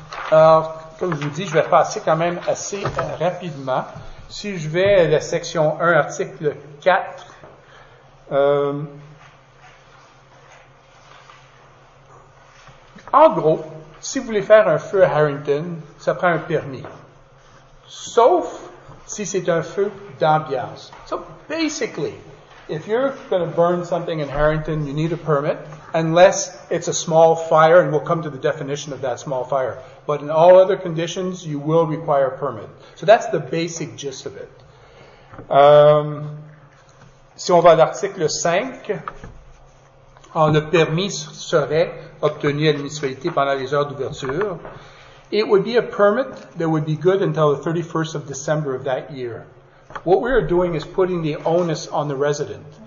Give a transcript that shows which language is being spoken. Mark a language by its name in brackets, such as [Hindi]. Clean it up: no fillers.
[French] Alors, comme je vous dis, je vais passer quand même assez rapidement. Si je vais à la section 1, article 4, en gros, si vous voulez faire un feu à Harrington, ça prend un permis. Sauf si c'est un feu d'ambiance. [English] So, basically, if you're going to burn something in Harrington, you need a permit, unless it's a small fire, and we'll come to the definition of that small fire. But in all other conditions, you will require a permit. So that's the basic gist of it. [French] Si on va à l'article 5, le permis serait obtenu à la municipalité pendant les heures d'ouverture. [English] It would be a permit that would be good until the 31st of December of that year. What we are doing is putting the onus on the resident.